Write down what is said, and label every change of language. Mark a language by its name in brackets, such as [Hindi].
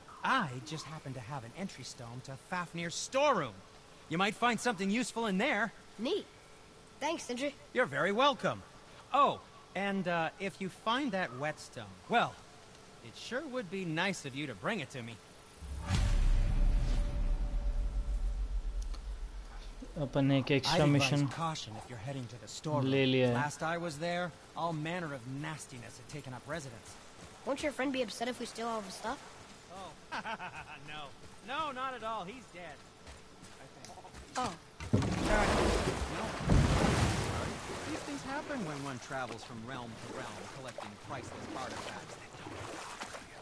[English] I just happen to have an entry stone to Fafnir's storeroom. You might find something useful in there. Neat. Thanks, Sindri. You're very welcome. Oh, and if you find that whetstone, well, it sure would be nice of you to bring it to me. [Hindi] अपन एक extra mission ले लिया है. [English] Last I was there, all manner of nastiness had taken up residence. Won't your friend be upset if we steal all of his stuff? Oh, no. No, not at all. He's dead. Oh. Sorry. No. These things happen when one travels from realm to realm collecting priceless artifacts.